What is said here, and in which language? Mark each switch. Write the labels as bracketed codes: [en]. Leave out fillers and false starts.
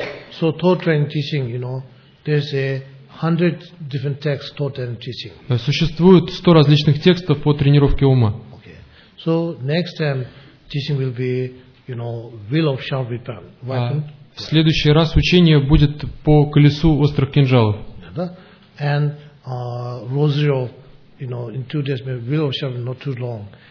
[en] So taught and teaching, you know, there's 100 different texts taught and teaching. [ru] Существует 100 различных текстов по тренировке ума. [en] Okay. So next time teaching will be, you know, wheel of sharp weapon. [ru] В следующий раз учение будет по колесу острых кинжалов. [en] Yeah, [ru] да? [en] And rosary of, you know, in 2 days maybe wheel of sharp, not too long.